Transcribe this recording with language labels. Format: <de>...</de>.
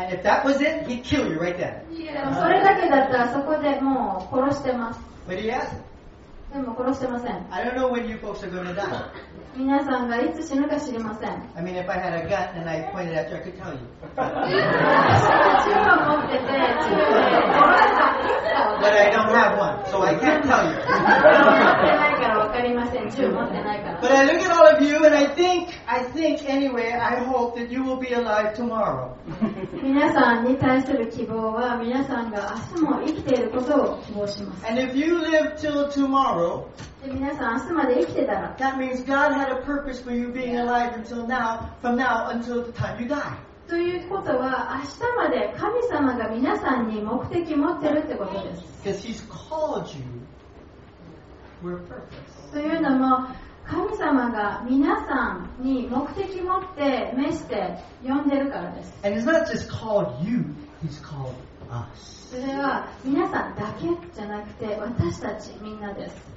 <en>And if that was it, he'd kill you right there.</en> <ja>それだけだったらそこでもう殺してます。</ja> <en>But he hasn't.</en> <ja>でも殺してません。</ja> <en>I don't know when you folks are going to die.</en> <ja>皆さんがいつ死ぬか知りません。</ja> <en>I mean, if I had a gun and I pointed at you, I could tell you.</en> <ja>私は銃を持ってて、銃で殺すか。</ja> <en>But I don't have one, so I can't tell you.</en> <ja>持ってないから分かりません、銃持ってないから。</ja> <en>But I look at all of you and I think anyway, I hope that you will be alive tomorrow.</en> <ja>皆さんに対する希望は皆さんが明日も生きていることを希望します。</ja> <en>And if you live till tomorrow,</en> <ja>皆さん明日まで生きてたら、</ja> <en>That means God had a purpose for you being alive until now, from now until the time you die.</en> <ja>ということは明日まで神様が皆さんに目的持ってるってことです。</ja> <en>Because he's called you with a purpose.</en> <ja>というのも神様が皆さんに目的持って召して呼んでるからです。</ja> <en>And he's not just called you, he's called us.</en> <ja>それは皆さんだけじゃなくて私たちみんなです。</ja>